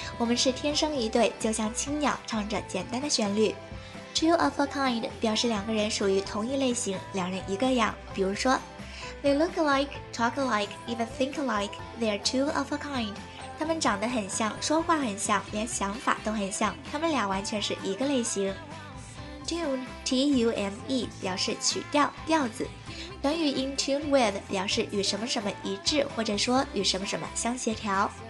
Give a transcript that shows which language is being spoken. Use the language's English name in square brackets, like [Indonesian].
[Chinese] 我们是天生一对，就像青鸟唱着简单的旋律。 Two of a kind 表示两个人属于同一类型，两人一个样。 [English] 比如说 They look alike, talk alike, even think alike. They are two of a kind. [Chinese] 他们长得很像，说话很像，连想法都很像，他们俩完全是一个类型。 Tune, T-U-N-E 表示曲调、调子。短语 in tune with 表示与什么什么一致，或者说与什么什么相协调。